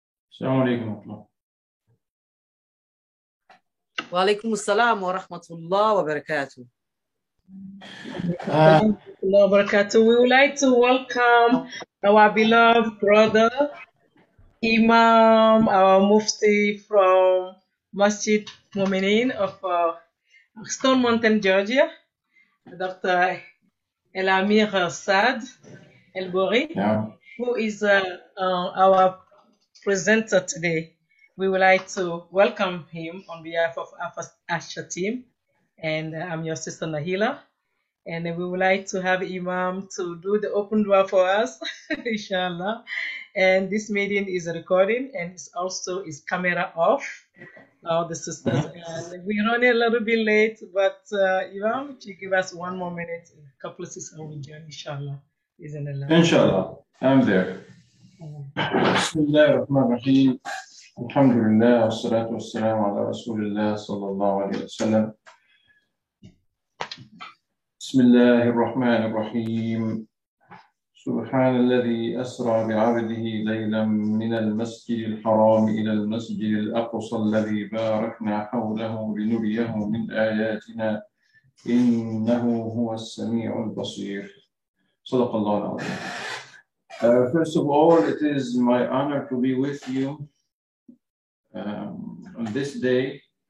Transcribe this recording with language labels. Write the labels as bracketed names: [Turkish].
[Arabic] السلام عليكم ورحمة الله. وعليكم السلام ورحمة الله وبركاته. السلام عليكم ورحمة الله وبركاته. [English] We would like to welcome our beloved brother Imam, our Mufti from Masjid Mominin of Stone Mountain, Georgia, Dr. El Amir Saad El Bouri, who is our presenter today. We would like to welcome him on behalf of our Asha team, and I'm your sister Nahila, and we would like to have Imam to do the open dua for us, inshallah. And this meeting is a recording, and it's also is camera off, all the sisters. And we're running a little bit late, but Imam, if you give us one more minute, a couple of sisters will be here, inshallah. Inshallah, I'm there. [Arabic] بسم الله الرحمن الرحيم الحمد لله والصلاة والسلام على رسول الله صلى الله عليه وسلم بسم الله الرحمن الرحيم سبحان الذي أسرى بعبده ليلا من المسجد الحرام إلى المسجد الأقصى الذي باركنا حوله لنريه من آياتنا إنه هو السميع البصير صدق الله العظيم. [English] First of all, it is my honor to be with you on this day.